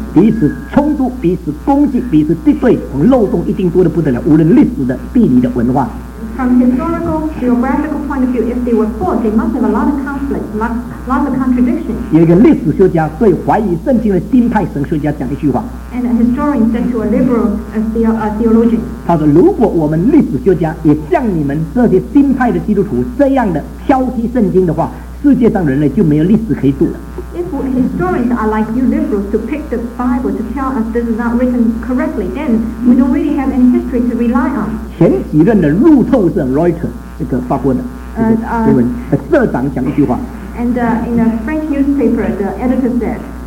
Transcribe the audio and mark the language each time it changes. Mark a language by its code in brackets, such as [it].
[zh] 彼此冲突，彼此攻击，彼此敌对，从漏洞一定多得不得了，无论历史的、地理的、文化。 [en] From historical, geographical point of view, if they were false, they must have a lot of conflict, lots of contradictions. [zh] 有一个历史学家对怀疑圣经的钉派神学家讲一句话。 [en] And a historian said to a liberal theologian. [zh] 他说，如果我们历史学家也像你们这些钉派的基督徒这样的挑剔圣经的话，世界上人类就没有历史可以读了。 [en] If historians are like you liberals to pick the Bible to tell us this is not written correctly, then we don't really have any history to rely on. [zh] 前几任的路透社 Reuters 这个法国的新闻社长讲一句话。 [en] And in a French newspaper, the editor said.